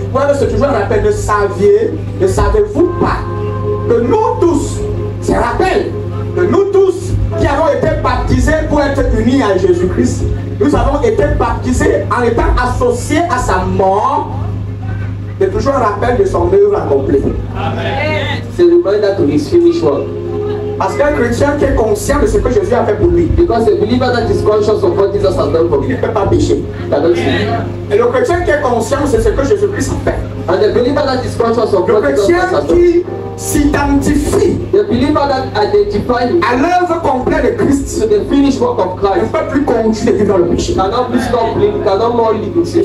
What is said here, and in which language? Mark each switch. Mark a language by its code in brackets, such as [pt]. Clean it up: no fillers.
[fr] Moi, je me suis toujours rappelé, ne savez-vous pas que nous tous, se rappelle, que nous tous qui avons été baptisés pour être unis à Jésus-Christ, nous avons été baptisés en étant associés à sa mort, mais toujours rappel de son œuvre accomplie. Amen. C'est parce qu'un chrétien qui est conscient de ce que Jésus a fait pour lui. [en] Because a believer that is conscious of what Jesus has done for him. [fr] Il ne peut pas pécher. [en] Yeah. [fr] Et le chrétien qui est conscient de ce que Jésus-Christ a fait. [en] And a believer that is conscious of [fr] le [en] what Jesus has done. [fr] Le chrétien qui s'identifie. [en] The believer that identifies. [fr] À l'œuvre complète de Christ. [en] To the finished work of Christ. [fr] Il ne peut plus continuer dans le péché. [en] Cannot be stopped. Cannot more live.